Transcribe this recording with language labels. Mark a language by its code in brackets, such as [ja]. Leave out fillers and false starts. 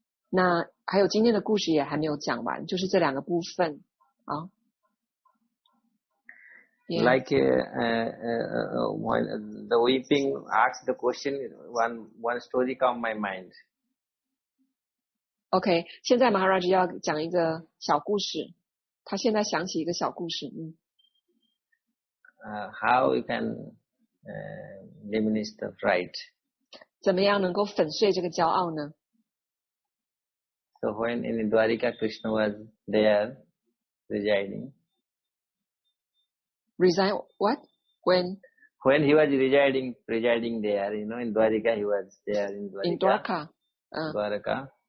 [zh] 那还有今天的故事也还没有讲完，就是这两个部分啊。 [en] Like when the weeping asks the question, one story come my mind. [zh] OK，现在 Maharaj 要讲一个小故事，他现在想起一个小故事， [en] How you can diminish the pride? [zh] 怎么样能够粉碎这个骄傲呢？ [en] So when in Dwarika Krishna was there residing. Resign what? When? When he was residing there, you know, in Dwarika, he was there in In Dwarika, Dwarka. Dwarka.